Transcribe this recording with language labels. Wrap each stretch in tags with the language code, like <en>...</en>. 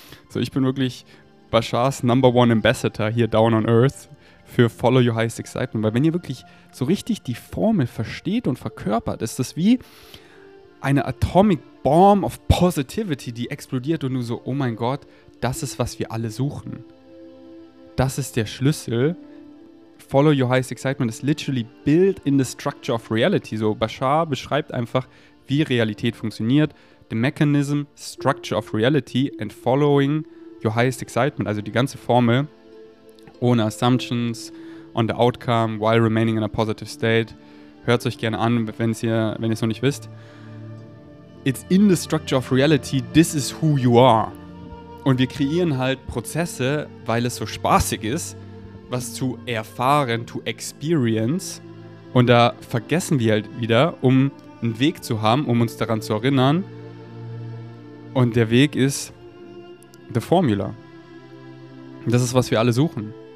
<de>So, ich bin wirklich Bashars</de> <en>Number One Ambassador</en> <de>hier</de> <en>down on Earth</en> <de>für</de> <en>Follow Your Highest Excitement.</en> <de>Weil wenn ihr wirklich so richtig die Formel versteht und verkörpert, ist das wie eine</de> <en>Atomic Bomb of Positivity,</en> <de>die explodiert und nur so, oh mein Gott, das ist, was wir alle suchen. Das ist der Schlüssel.</de> <en>Follow Your Highest Excitement is literally built in the structure of reality.</en> <de>So, Bashar beschreibt einfach, wie Realität funktioniert.</de> <en>The mechanism, structure of reality and following your highest excitement,</en> <de>also die ganze Formel ohne</de> <en>Assumptions on the outcome while remaining in a positive state.</en> <de>Hört es euch gerne an, wenn ihr es noch nicht wisst.</de> <en>It's in the structure of reality, this is who you are.</en> <de>Und wir kreieren halt Prozesse, weil es so spaßig ist, was zu erfahren,</de> <en>to experience.</en> <de>Und da vergessen wir halt wieder, um einen Weg zu haben, um uns daran zu erinnern. Und der Weg ist</de> <en>the formula.</en> <de>Das ist, was wir alle suchen.</de>